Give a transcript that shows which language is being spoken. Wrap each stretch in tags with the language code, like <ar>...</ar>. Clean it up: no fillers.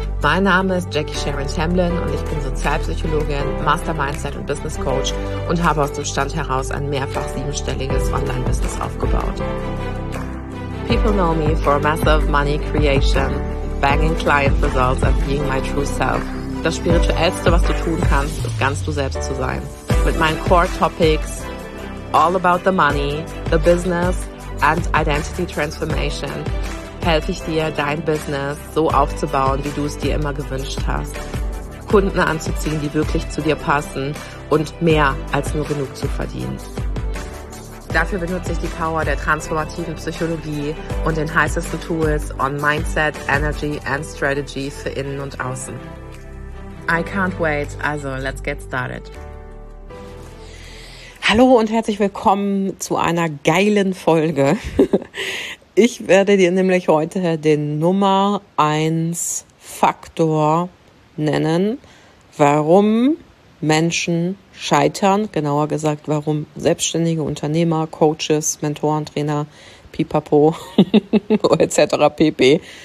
<de>Mein Name ist Jackie Sharon Tamblyn und ich bin Sozialpsychologin, Master Mindset und Business Coach und habe aus dem Stand heraus ein mehrfach siebenstelliges Online-Business aufgebaut.</de> <en>People know me for massive money creation, banging client results and being my true self.</en> <de>Das Spirituellste, was du tun kannst, ist ganz du selbst zu sein. Mit meinen Core Topics,</de> <en>all about the money, the business and identity transformation,</en> <de>helfe ich dir, dein Business so aufzubauen, wie du es dir immer gewünscht hast. Kunden anzuziehen, die wirklich zu dir passen und mehr als nur genug zu verdienen. Dafür benutze ich die Power der transformativen Psychologie und den heißesten Tools</de> <en>on Mindset, Energy and Strategy</en> <de>für innen und außen.</de> <en>I can't wait, also let's get started.</en> <de>Hallo und herzlich willkommen zu einer geilen Folge. Ich werde dir nämlich heute den Nummer 1 Faktor nennen, warum Menschen scheitern, genauer gesagt, warum selbstständige Unternehmer, Coaches, Mentoren, Trainer, pipapo etc. pp.</de>